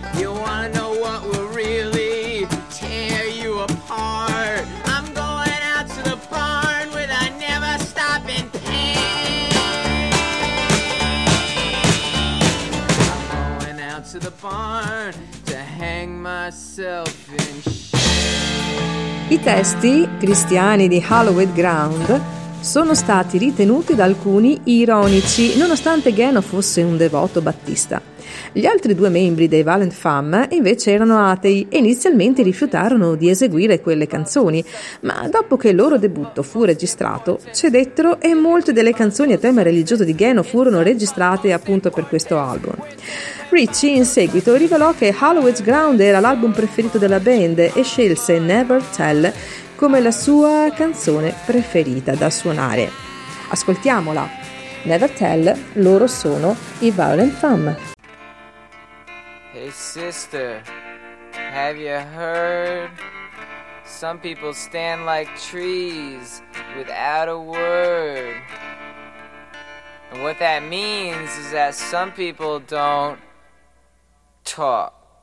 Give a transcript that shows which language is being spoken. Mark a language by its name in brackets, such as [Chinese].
[English] You wanna know what will really tear you apart? I'm going out to the barn with a never stopping pain. I'm going out to the barn to hang myself in shame. [Italian] I testi cristiani di Hallowed Ground sono stati ritenuti da alcuni ironici, nonostante Geno fosse un devoto battista. Gli altri due membri dei Violent Femmes invece erano atei e inizialmente rifiutarono di eseguire quelle canzoni, ma dopo che il loro debutto fu registrato, cedettero e molte delle canzoni a tema religioso di Geno furono registrate appunto per questo album. Richie in seguito rivelò che Hallowed Ground era l'album preferito della band e scelse Never Tell come la sua canzone preferita da suonare. Ascoltiamola. Never Tell, loro sono i Violent Femmes. [English] Hey sister, have you heard? Some people stand like trees without a word. And what that means is that some people don't talk.